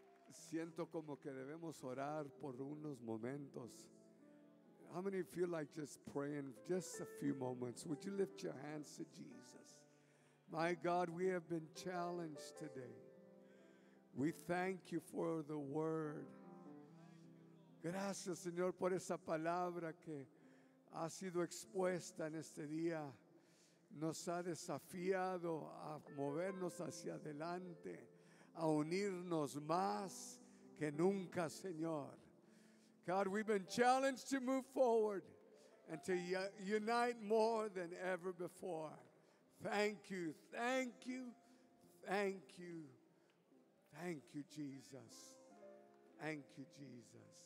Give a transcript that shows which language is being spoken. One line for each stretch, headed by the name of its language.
Spanish: Siento como que debemos orar por unos momentos.
English: How many feel like just praying just a few moments? Would you lift your hands to Jesus? My God, we have been challenged today. We thank you for the word.
Spanish: Gracias, Señor, por esa palabra que ha sido expuesta en este día. Nos ha desafiado a movernos hacia adelante, a unirnos más que nunca, Señor.
English: God, we've been challenged to move forward and to unite more than ever before. Thank you, thank you, thank you. Thank you, Jesus. Thank you, Jesus.